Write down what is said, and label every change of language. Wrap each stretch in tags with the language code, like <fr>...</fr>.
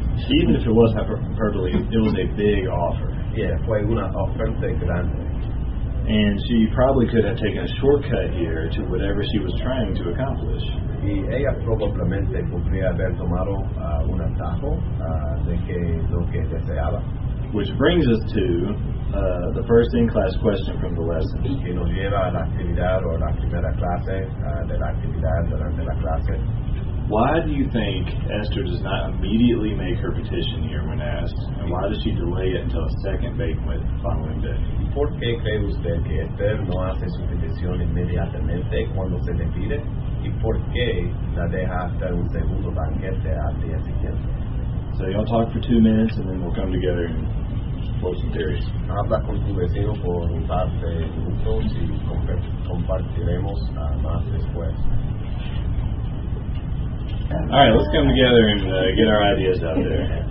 <en>Even if it was hyperbole, it was a big offer.</en> <es>Yeah, fue una oferta grande.</es> <en>And she probably could have taken a shortcut here to whatever she was trying to accomplish.</en> <es>Y ella probablemente podría haber tomado un atajo de que lo que deseaba.</es> <en>Which brings us to the first in-class question from the lesson.</en> <es>Que nos lleva a la actividad o la primera clase de la actividad durante la clase.</es> <en>Why do you think Esther does not immediately make her petition here when asked? And why does she delay it until a second banquet the following day?</en> <es>¿Por qué cree usted que Esther no hace su petición inmediatamente cuando se le pide? ¿Y por qué la deja hasta un segundo banquete al día siguiente?</es> <en>So you'll talk for 2 minutes and then we'll come together and quote some theories.</en> <es>Habla con tu vecino por un par de minutos y compartiremos más después.</es> <en>All right, let's come together and get our ideas out there.</en>